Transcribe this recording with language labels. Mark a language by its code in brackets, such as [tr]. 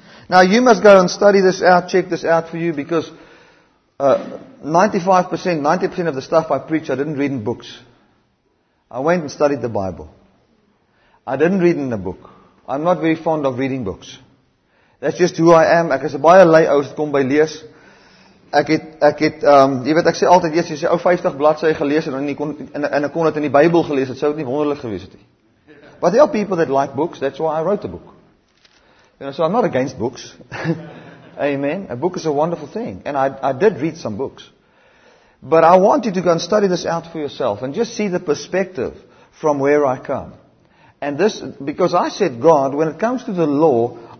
[en] Now you must go and study this out, check this out for you, because 90% of the stuff I preach, I didn't read in books. I went and studied the Bible. I didn't read in a book. I'm not very fond of reading books. That's just who I am. [af] Ek is baie lui, ou, as ek kom by lees. Jy weet, ek sê altyd, jy sê, ou, 50 bladsye gelees, en ek kon dit in die Bybel gelees, het sou nie wonderlik gewees het nie. [en] But there are people that like books, that's why I wrote the book. You know, so I'm not against books. Amen. A book is a wonderful thing. And I did read some books. But I want you to go and study this out for yourself and just see the perspective from where I come. And this, because I said, God, when it comes to the law,